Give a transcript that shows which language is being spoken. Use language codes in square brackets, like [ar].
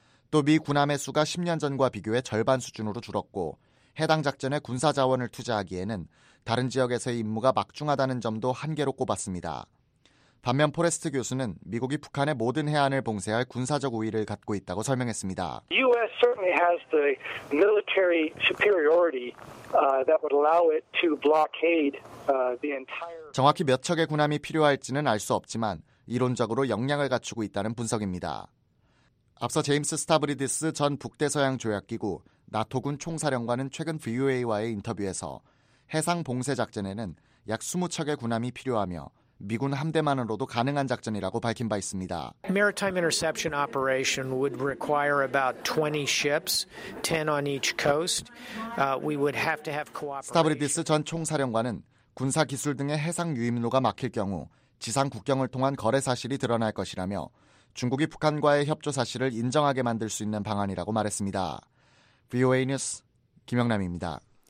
[ko] 또 미 군함의 수가 10년 전과 비교해 절반 수준으로 줄었고 해당 작전에 군사 자원을 투자하기에는 다른 지역에서의 임무가 막중하다는 점도 한계로 꼽았습니다. 반면 포레스트 교수는 미국이 북한의 모든 해안을 봉쇄할 군사적 우위를 갖고 있다고 설명했습니다. [en] US certainly has the military superiority that would allow it to blockade the entire [ko] 정확히 몇 척의 군함이 필요할지는 알 수 없지만 이론적으로 역량을 갖추고 있다는 분석입니다. 앞서 제임스 스타브리디스 전 북대서양 조약기구 나토군 총사령관은 최근 VOA와의 인터뷰에서 해상 봉쇄 작전에는 약 20척의 군함이 필요하며 미군 함대만으로도 가능한 작전이라고 밝힌 바 있습니다. [en] Maritime interception operation would require about 20 ships, 10 on each coast. We would have to have cooperation. [ko] 스타브리디스 전 총사령관은 군사 기술 등의 해상 유입로가 막힐 경우 지상 국경을 통한 거래 사실이 드러날 것이라며 중국이 북한과의 협조 사실을 인정하게 만들 수 있는 방안이라고 말했습니다. VOA 뉴스 김영남입니다.